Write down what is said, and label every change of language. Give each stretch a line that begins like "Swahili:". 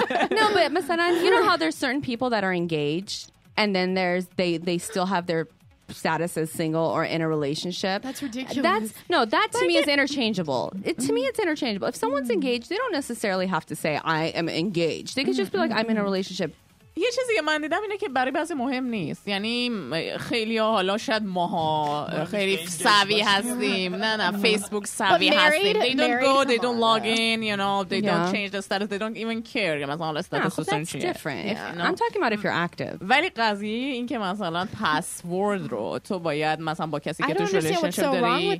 English: No, but مثلا, you know how there's certain people that are engaged and then there's they still have their status as single or in a relationship. That's ridiculous. Is interchangeable. It's interchangeable. If someone's engaged, they don't necessarily have to say I am engaged. They could just be like I'm in a relationship.
Persian: یه چیزی که من دیدم اینه که برای بعضی مهم نیست. یعنی خیلی ها حالا شاید ماها خیلی سوی هستیم. نه فیسبوک سوی هستیم.
English: They don't go, they don't log in, you know, they don't change the status, they don't even care. Yeah, that's different. I'm talking about if you're active.
Persian: ولی قضیه این که مثلا پسورد رو تو باید مثلا با کسی که تو شو ریلیشنشیپ داری.